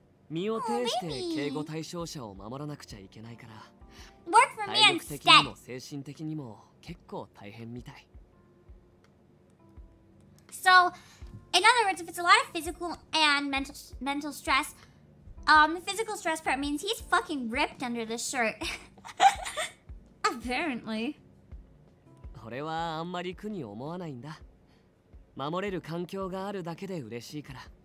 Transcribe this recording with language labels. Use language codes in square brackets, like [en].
[ja] 身を挺して警護対象者を守らなくちゃいけないから。 [en] Work for me instead. [ja] 体力的にも精神的にも結構大変みたい。 [en] So, in other words, if it's a lot of physical and mental stress, the physical stress part means he's fucking ripped under this shirt. Apparently. [ja] 俺はあんまり苦に思わないんだ。守れる環境があるだけで嬉しいから。